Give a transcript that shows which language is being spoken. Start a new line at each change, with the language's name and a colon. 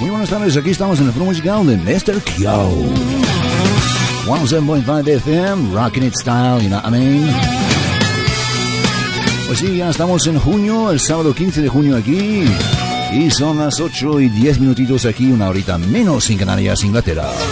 Spanish: Muy buenas tardes, aquí estamos en el promo musical de Mr. Q.
English: 107.5 FM, Rockin' It Style, you know what I mean?
Spanish: Pues sí, ya estamos en junio, el sábado 15 de junio aquí. Y son las 8 y 10 minutitos aquí, una horita menos en Canarias, Inglaterra.